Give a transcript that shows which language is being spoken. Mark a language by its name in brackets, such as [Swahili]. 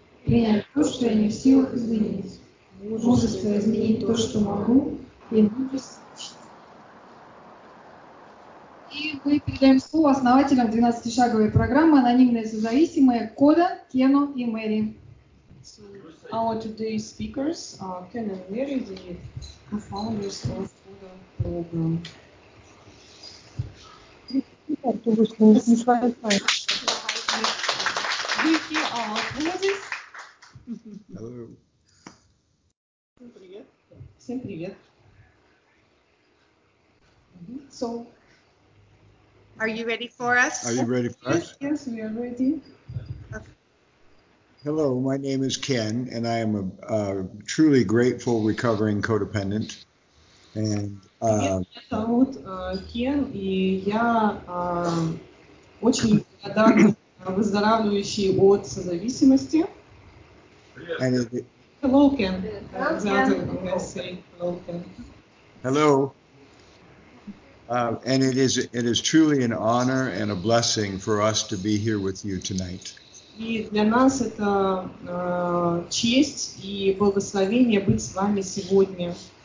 [Russian] Принять то, что я не в силах изменить. Мужество изменить то, что могу, и мудрость. И мы передаем слово основателям 12-шаговой программы «Анонимные созависимые» Кода, Кену и Мэри. [English] Our today's speakers are Ken and Mary, the co-founders of Coda program. Hello. [Russian] Всем привет. Всем привет. [English] So, Are you ready for us? Are you ready for us? Yes, we are ready. Hello, my name is Ken, and I am a truly grateful recovering codependent. And [Russian] Ken, и я очень благодарна выздоравливающей от созависимости. [English] Hello, Ken. Hello. And it is truly an honor and a blessing for us to be here with you tonight. [Russian] И для нас это честь и благословение быть с вами сегодня.